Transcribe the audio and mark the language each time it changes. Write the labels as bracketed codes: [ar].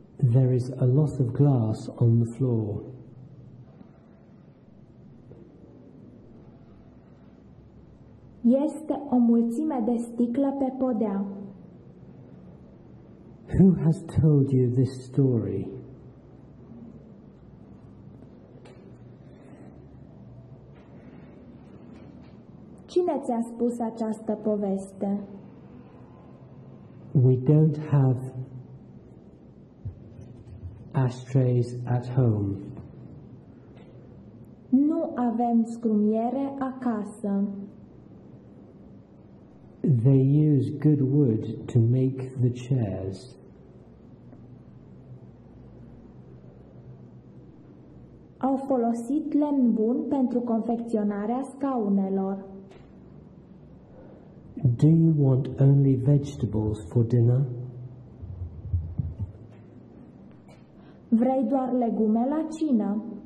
[en] There is a lot of glass on the floor. [ro] Este o mulțime de sticlă pe podea. [en] Who has told you this story? [ro] Cine ți-a spus această poveste? [en] We don't have ashtrays at home. [ro] Nu avem scrumiere acasă. [en] They use good wood to make the chairs. [ro] Au folosit lemn bun pentru confecționarea scaunelor. [en] Do you want only vegetables for dinner? [ro] Vrei doar legume la cină?